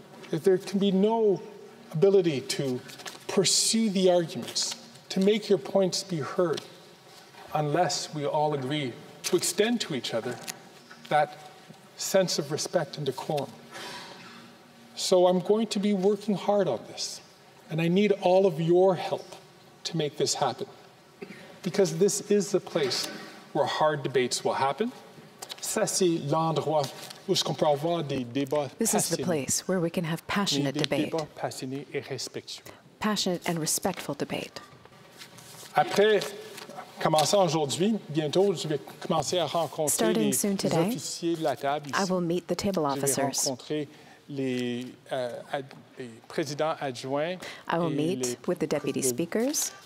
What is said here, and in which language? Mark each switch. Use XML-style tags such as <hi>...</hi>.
<en>If there can be no ability to pursue the arguments, to make your points be heard, unless we all agree to extend to each other that sense of respect and decorum. So I'm going to be working hard on this. And I need all of your help to make this happen. Because this is the place where hard debates will happen.</en> <fr>Ça, c'est l'endroit où on peut avoir des débats passionnés.</fr> <en>This is the place where we can have passionate debate.</en> <fr>Des débats passionnés et respectueux.</fr> <en>Passionate and respectful debate.</en> <fr>Après, commençant aujourd'hui, bientôt, je vais commencer à rencontrer</fr> <en>Starting</en> <fr>les,</fr> <en>soon today,</en> <fr>les officiers de la table ici.</fr> <en>I will meet the table officers.</en> <fr>Je vais rencontrer les présidents adjoints.</fr> <en>I will meet with the deputy speakers.</en>